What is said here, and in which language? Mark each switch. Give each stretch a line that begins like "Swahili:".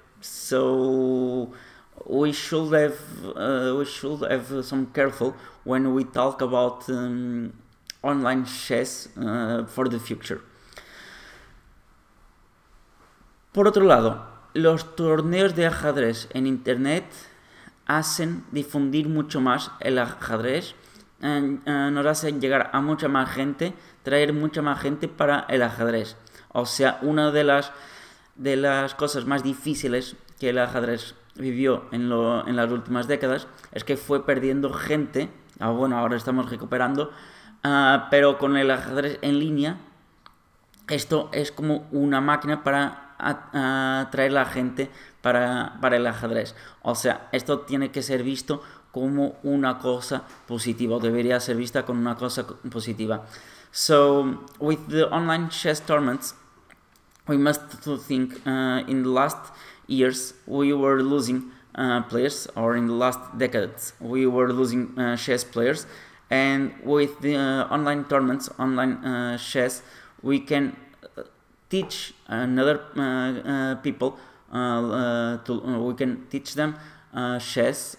English: So we should have some careful when we talk about online chess for the future.
Spanish: Por otro lado, los torneos de ajedrez en internet hacen difundir mucho más el ajedrez, nos hacen llegar a mucha más gente, traer mucha más gente para el ajedrez. O sea, una de las cosas más difíciles que el ajedrez vivió en las últimas décadas es que fue perdiendo gente. Bueno, ahora estamos recuperando. Pero con el ajedrez en línea, esto es como una máquina para atraer a la gente para el ajedrez. O sea, esto tiene que ser visto como una cosa positiva, o debería ser vista como una cosa positiva.
English: So, with the online chess tournaments, we must think in the last years we were losing players, or in the last decades we were losing chess players. And with the online tournaments, online chess, we can teach another people we can teach them chess.